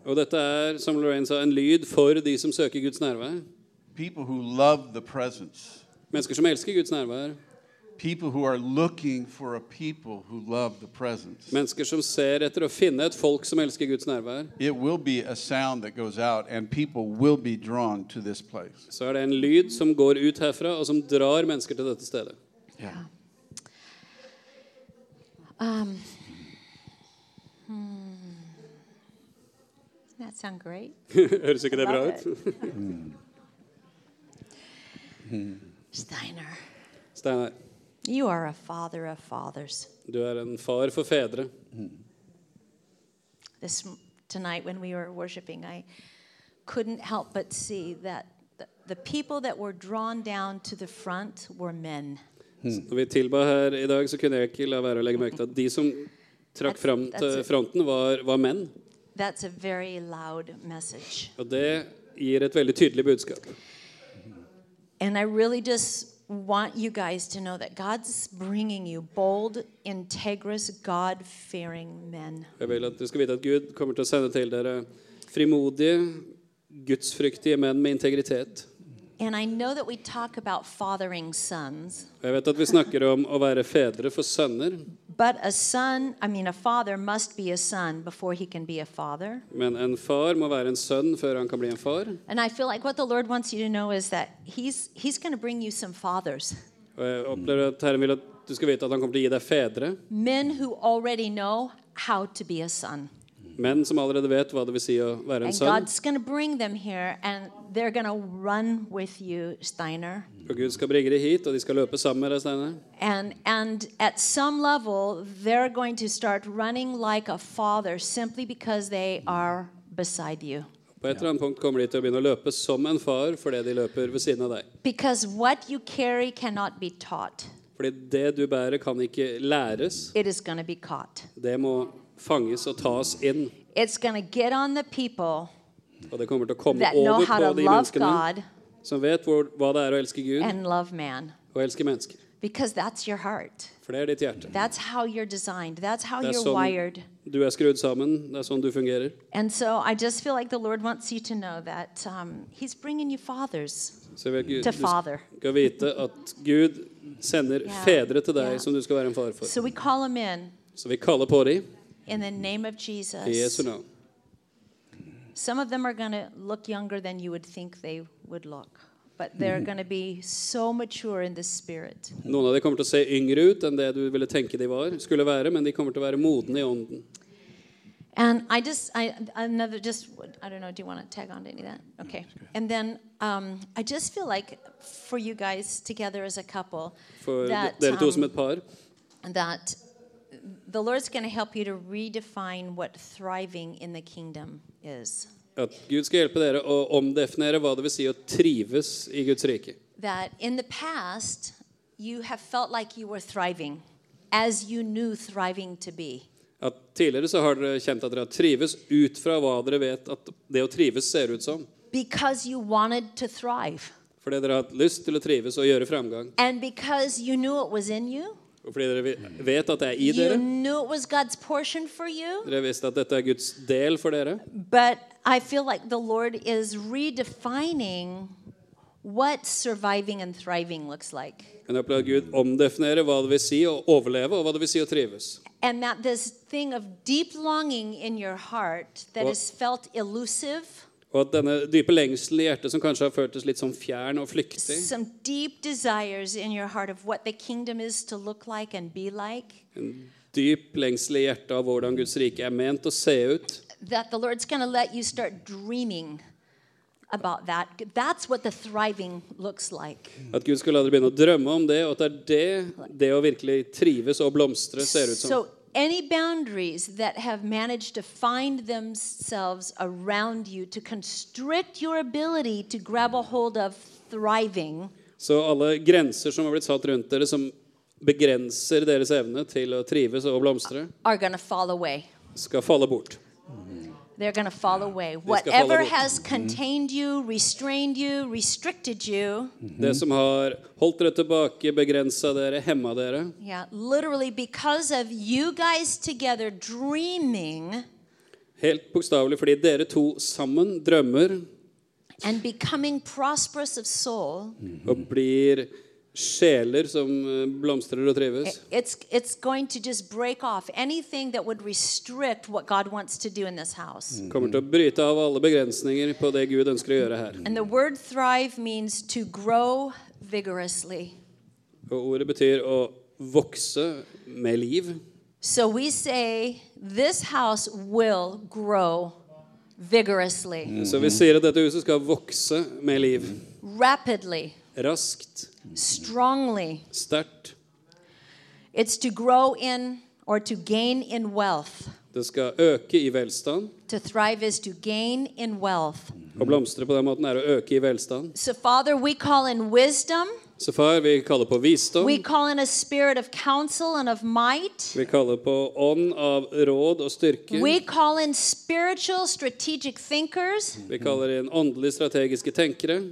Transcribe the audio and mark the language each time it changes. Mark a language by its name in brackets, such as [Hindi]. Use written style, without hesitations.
[Swedish] Och detta är som Lorraine sa en lyd för de som söker Guds närvaro. [English] People who love the presence. [Swedish] Människor som älskar Guds närvaro. [English] People who are looking for a people who love the presence. [Swedish] Människor som ser efter att finna ett folk som älskar Guds närvaro. [English] It will be a sound that goes out and people will be drawn to this place. [Swedish] Så är det en lyd som går ut härifrån och som drar människor till detta ställe. [English] Yeah. That sounds great. [Swedish] Hörs det bra ut? [English] Steiner. You are a father of fathers. [Swedish] Du är en far för fäder. [English] This tonight when we were worshiping, I couldn't help but see that the people that were drawn down to the front were men. [Swedish] När vi tillbad här idag så kunde jag inte låta vara att lägga märke till att de som trakk fram till fronten var män. [English] That's a very loud message. [Swedish] Och det ger ett väldigt tydligt budskap. [English] And I really just want you guys to know that God's bringing you bold, integrous, God-fearing men. [Swedish] Jag vill att ni ska veta att Gud kommer att sända till er frimodiga, gudsfruktiga män med integritet. [English] And I know that we talk about fathering sons. [Swedish] Jag vet att vi snackar om att vara fäder för söner. [English] But a father must be a son before he can be a father. [Norwegian] Men en far må være en sønn før han kan bli en far. [English] And I feel like what the Lord wants you to know is that he's going to bring you some fathers. [Swedish] Jag upplever att Herren vill att du ska veta att han kommer att ge dig fädre. [English] Men who already know how to be a son. [Swedish] Män som allerede vet vad det vill säga att vara en son. [English] And God's going to bring them here and they're going to run with you, Steiner. [Swedish] Och Gud ska bringa dig hit och de ska löpa samma med dig, Steiner. [English] And at some level they're going to start running like a father simply because they are beside you. [Swedish] På ett annat punkt kommer de att börja löpa som en far för det de löper vid sidan av dig. [English] Because what you carry cannot be taught. [Swedish] För det du bär kan inte läras. [English] It is going to be caught. [Swedish] Det må fanges och tas in. [English] It's going to get on the people. [Swedish] Och det kommer att komma över på de människorna som vet vad det är att älska Gud. [English] And love man. [Swedish] Och älska människor. [English] Because that's your heart. [Swedish] För det är ditt hjärta. [English] That's how you're designed. That's how you're wired. [Swedish] Du är skrudd samman. Det är så du fungerar. [English] And so I just feel like the Lord wants you to know that he's bringing you fathers. [Swedish] Så vet Gud, [English] to father. [Swedish] Ska veta att Gud sänder fäder till dig som du ska vara en far för. [English] So we call them in. [Swedish] Så vi kallar på dig. [English] In the name of Jesus. Yes or no? Some of them are going to look younger than you would think they would look, but they're going to be so mature in the spirit. [Swedish] Någon av dem kommer att se yngre ut än det du ville tänka de var skulle vara, men de kommer att vara modna I anden. [English] And I don't know. Do you want to tag on to any of that? Okay. And then I just feel like for you guys together as a couple that the Lord's going to help you to redefine what thriving in the kingdom is. [Swedish] Att Gud ska hjälpa dig att omdefiniera vad det vill säga att trivas I Guds rike. [English] That in the past you have felt like you were thriving as you knew thriving to be. [Swedish] Att tidigare så har du känt att du har trivs utifrån vad du vet att det att trivas ser ut som. [English] Because you wanted to thrive. [Norwegian] För det dere har lyst til å trives og gjøre framgang. [English] And because you knew it was in you. [Norwegian] Og fordi dere vet at det I dere. [English] You knew it was God's portion for you. [Norwegian] Dere visste at dette Guds del for dere. [English] But I feel like the Lord is redefining what surviving and thriving looks like. [Norwegian] Men jeg prøver Gud omdefinere hva det vil si å overleve og hva det vil si å trives. [English] And that this thing of deep longing in your heart that is felt elusive. [Norwegian] Og at denne dype lengselen I hjertet som kanskje har føltes litt som fjern og flyktig. [English] Some deep desires in your heart of what the kingdom is to look like and be like. [Norwegian] En dyp lengsel I hjertet av hvordan Guds rike ment å se ut. [English] That the Lord's going to let you start dreaming about that. That's what the thriving looks like. [Norwegian] At Gud skulle la dere begynne å drømme om det, og at det å virkelig trives og blomstre ser ut som. [English] So any boundaries that have managed to find themselves around you to constrict your ability to grab a hold of thriving. [Norwegian] Så alle grenser som har blitt satt rundt dere som begrenser deres evne til å trives og blomstre. [English] Are going to fall away. [Norwegian] Skal falle bort. [English] They're going to fall away. Whatever has contained you, restrained you, restricted you. [Norwegian] Det som har holdt dere tilbake, begrenset dere, hemmet dere. [English] Yeah, literally because of you guys together dreaming. [Norwegian] Helt bokstavelig fordi dere to sammen drømmer. [English] And becoming prosperous of soul. [Norwegian] Og blir sjeler som blomstrer og trives. [English] It's going to just break off anything that would restrict what God wants to do in this house. [Norwegian] Kommer til å bryte av alle begrensninger på det Gud ønsker å gjøre her. [English] And the word thrive means to grow vigorously. [Norwegian] Og ordet betyr å vokse med liv. [English] So we say this house will grow vigorously. [Norwegian] Så vi sier at dette huset skal vokse med liv. [English] Rapidly. [Norwegian] Raskt. [English] Strongly. Start. It's to grow in or to gain in wealth. [Swedish] Det ska öka I välstånd. [English] To thrive is to gain in wealth. [Swedish] Och blomstra på den måten att öka I välstånd. [English] So Father, we call in wisdom. [Swedish] Så far, vi kallar på visdom. [English] We call in a spirit of counsel and of might. [Swedish] Vi kallar på ånd av råd och styrka. [English] We call in spiritual strategic thinkers. [Swedish] Vi kallar in andliga strategiska tänkare.